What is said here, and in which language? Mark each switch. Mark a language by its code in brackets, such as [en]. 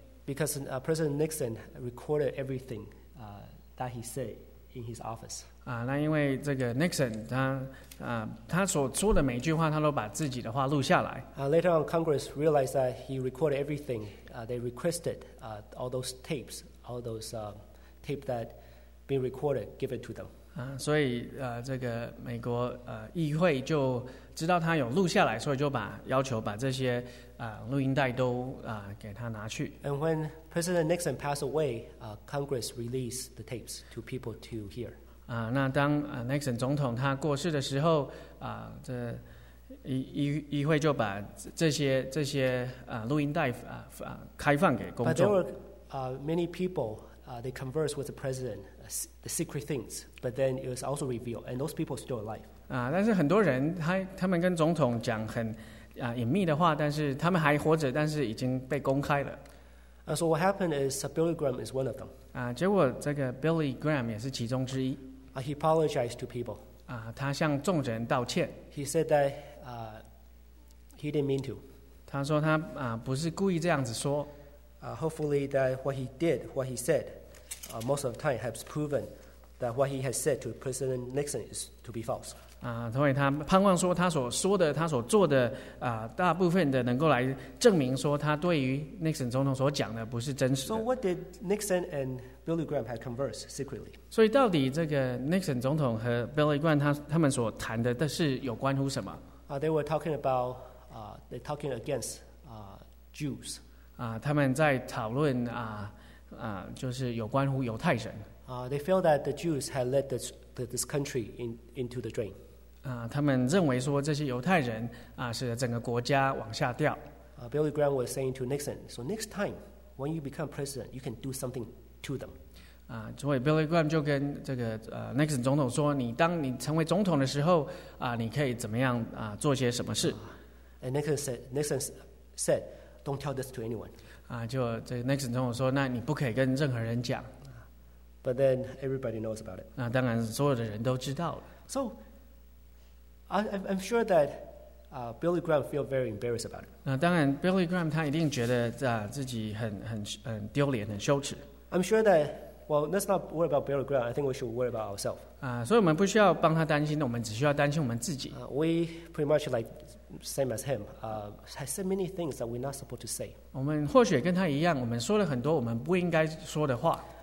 [en] Because President Nixon recorded everything that he said in his office. [zh] 那因为这个 Nixon 他所说的每句话 他都把自己的话录下来。 [en] Later on, Congress realized that he recorded everything. They requested all those tapes, all those tapes that been recorded, given to them. [zh] 所以这个美国议会就知道他有录下来, 所以就把要求把这些 录音带都 给他拿去。 [en] And when President Nixon passed away, Congress released the tapes to people to hear. [zh] 那当 Nixon 总统他过世的时候, 这议会就把这些 录音带 开放给公众。 [en] But there were many people, they conversed with the president, the secret things, but then it was also revealed, and those people are still alive. [zh] 但是很多人他们跟总统讲很 隐秘的话, 但是他们还活着, 但是已经被公开了。 [en] So what happened is Billy Graham is one of them. [zh] 结果这个 Billy Graham 也是其中之一。 [en] He apologized to people. [zh] 他向众人道歉。 [en] He said that he didn't mean to. [zh] 他说他 不是故意这样子说。 [en] Hopefully that what he did, what he said, most of the time has proven that what he has said to President Nixon is to be false. [zh] 所以他盼望说他所说的他所做的 大部分的能够来证明说他对于 Nixon 总统所讲的不是真实的。 [en] So what did Nixon and Billy Graham had conversed secretly? [zh] 所以到底这个 Nixon 总统和 Billy Graham 他们所谈的是有关乎什么？ [en] They were talking about they talking against Jews. [zh] 他们在讨论 就是有关乎犹太人。 [en] They feel that the Jews had led this country into the drain. [zh] 他们认为说这些犹太人 使得整个国家往下掉。 [en] Billy Graham was saying to Nixon, so next time when you become president, you can do something to them. [zh] 所以 Billy Graham 就跟这个 Nixon 总统说， 你当你成为总统的时候， 你可以怎么样 做些什么事。 [en] And Nixon said, don't tell this to anyone. [zh] 就这个 Nixon 总统说， 那你不可以跟任何人讲。 [en] But then everybody knows about it. [zh] 当然所有的人都知道了。 [en] So I'm sure that Billy Graham feel very embarrassed about it. [zh] 当然 Billy Graham 他一定觉得 自己很丢脸很羞耻。 [en] I'm sure that, well, let's not worry about Billy Graham. I think we should worry about ourselves. [zh] 所以我们不需要帮他担心的, 我们只需要担心我们自己。 [en] We pretty much like same as him. I said many things that we're not supposed to say. [zh] 我们或许跟他一样, 我们说了很多, 我们不应该说的话。